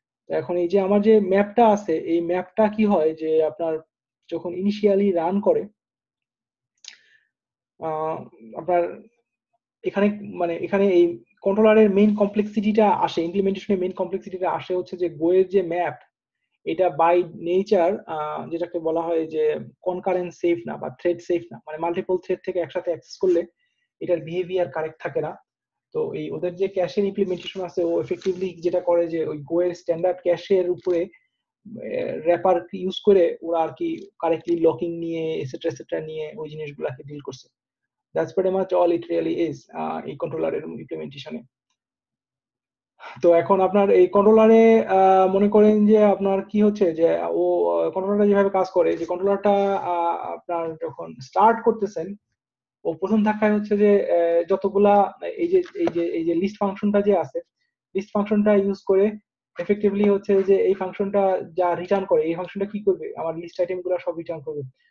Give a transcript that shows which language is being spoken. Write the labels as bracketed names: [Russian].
[Bangla] এখন এই যে আমার যে ম্যাপটা আছে এই ম্যাপটা কি হয় যে আপনার যখন ইনিশিয়ালি রান করে আপনার এখানে মানে এখানে এই কন্ট্রোলারের মেইন কমপ্লেক্সিটিটা আসে, ইমপ্লিমেন্টেশনের মেইন কমপ্লেক্সিটিটা আসে হচ্ছে যে গো এর যে ম্যাপ এটা বাই নেচার যেটাকে বলা হয় যে কনকারেন্ট সেফ না বা থ্রেড সেফ না, মানে মাল্টিপল থ্রেড থেকে একসাথে অ্যাক্সেস করলে এটার বিহেভিয়ার কারেক্ট থাকে না। তো এই ওদের যে ক্যাশের ইমপ্লিমেন্টেশন আছে ও এফেক্টিভলি যেটা করে যে ওই গো এর স্ট্যান্ডার্ড ক্যাশের উপরে র্যাপার ইউজ করে ওরা আর কি কারেক্টলি লকিং নিয়ে এসেট্রা এসেট্রা নিয়ে ওই জিনিসগুলাকে ডিল করছে। [English] That's pretty much all it really is [Bangla] এই কন্ট্রোলারের ইমপ্লিমেন্টেশনে। তো এখন আপনার এই কন্ট্রোলারে মনে করেন যে আপনার কি হচ্ছে যে ও কন্ট্রোলারটা যেভাবে কাজ করে যে কন্ট্রোলারটা আপনার যখন স্টার্ট করতেছেন ও প্রথম ধাক্কায় হচ্ছে যে যতগুলা এই যে এই যে এই যে লিস্ট ফাংশনটা যে আছে লিস্ট ফাংশনটা ইউজ করে এফেক্টিভলি হচ্ছে যে এই ফাংশনটা যা রিটার্ন করে এই ফাংশনটা কি করবে আমার লিস্ট আইটেম গুলা সব রিটার্ন করবে।